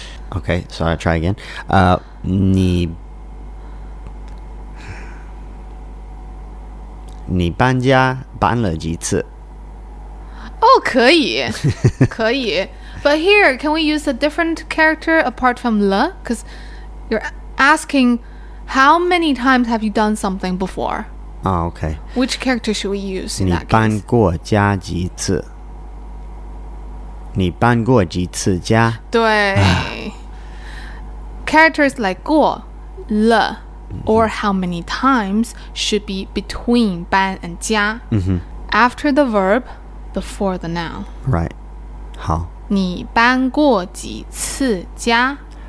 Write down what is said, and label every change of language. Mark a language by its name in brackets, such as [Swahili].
[English] Okay, so I'll try again [Chinese] 你你搬家搬了几次 [English] Oh, [Chinese] 可以可以 [English] But here, can we use a different character apart from 了 Because you're asking How many times have you done something before? Oh, okay Which character should we use in that case? [Chinese] 你搬过家几次你搬过几次家对、啊、 [English] characters like 过, 了, or how many times should be between 班 and 家, after the verb, before the noun. Right. [Chinese] 好。你搬过几次家?